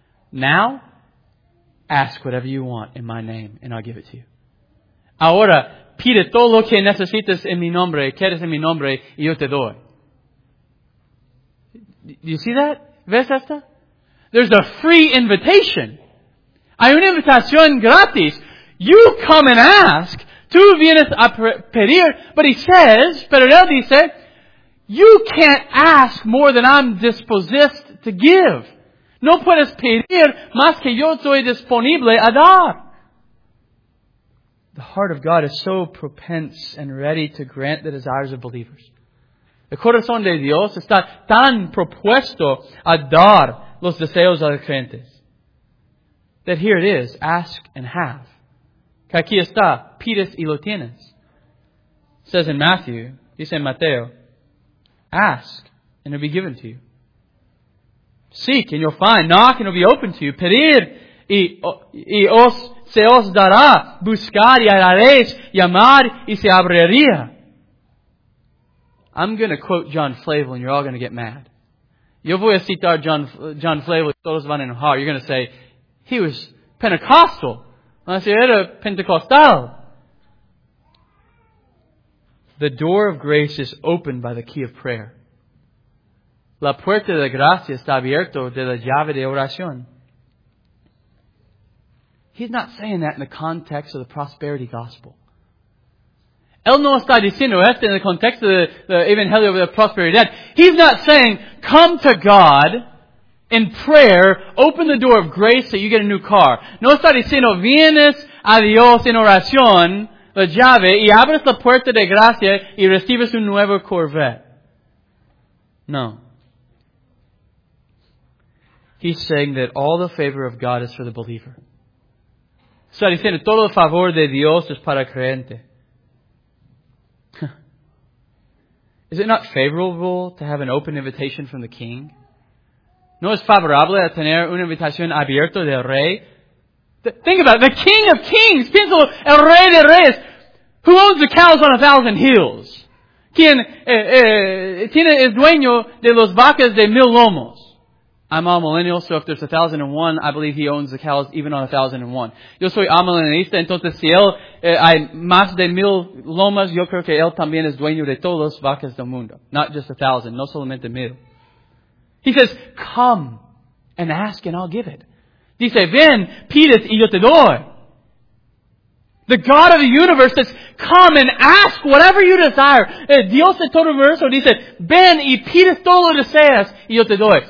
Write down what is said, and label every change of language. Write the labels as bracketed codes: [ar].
[en] Now, ask whatever you want in my name, and I'll give it to you. [es] Ahora, pide todo lo que necesitas en mi nombre, quieres en mi nombre, y yo te doy. [en] Do you see that? [es] ¿Ves esta? [en] There's a free invitation. [es] Hay una invitación gratis. [en] You come and ask. [es] Tú vienes a pedir, [en] but He says, [es] pero Él dice, [en] you can't ask more than I'm dispossessed to give. [es] No puedes pedir más que yo estoy disponible a dar. [en] The heart of God is so propense and ready to grant the desires of believers. [es] El corazón de Dios está tan propuesto a dar los deseos de los creyentes. [en] That here it is, ask and have. [es] Aquí está, pides y lo tienes. [en] Says in Matthew, [es] dice en Mateo, [en] ask and it'll be given to you. Seek and you'll find. Knock and it'll be opened to you. [es] Pedir y se os dará. Buscar y hallaréis. Llamar y se abriría. [en] I'm going to quote John Flavel and you're all going to get mad. [es] Yo voy a citar John Flavel y todos van a enojar. [en] You're going to say, he was Pentecostal. [es] Era Pentecostal. [en] The door of grace is opened by the key of prayer. [es] La puerta de gracia está abierta de la llave de oración. [en] He's not saying that in the context of the prosperity gospel. [es] Él no está diciendo esto en el contexto de la Evangelio de la Prosperidad. [en] He's not saying, come to God in prayer, open the door of grace so you get a new car. [es] No está diciendo, vienes a Dios en oración, la llave, y abres la puerta de gracia y recibes un nuevo Corvette. [en] No. He's saying that all the favor of God is for the believer. [es] Está diciendo, todo el favor de Dios es para el creyente. [en] Is it not favorable to have an open invitation from the king? [es] ¿No es favorable a tener una invitación abierta del rey? [en] Think about it. The king of kings. [es] Piensa, el rey de reyes. [en] Who owns the cows on 1,000 hills? [es] ¿Quién tiene el dueño de los vacas de 1,000 lomos? [en] I'm a millennial, so if there's 1,001, I believe he owns the cows even on 1,001. [es] Yo soy amillennialista, entonces si él hay más de 1,000 lomas, yo creo que él también es dueño de todas las vacas del mundo. [en] Not just 1,000, [es] no solamente 1,000. [en] He says, come and ask and I'll give it. [es] Dice, ven, pides y yo te doy. [en] The God of the universe says, come and ask whatever you desire. [es] Dios de todo universo dice, ven y pide todo lo que deseas y yo te doy.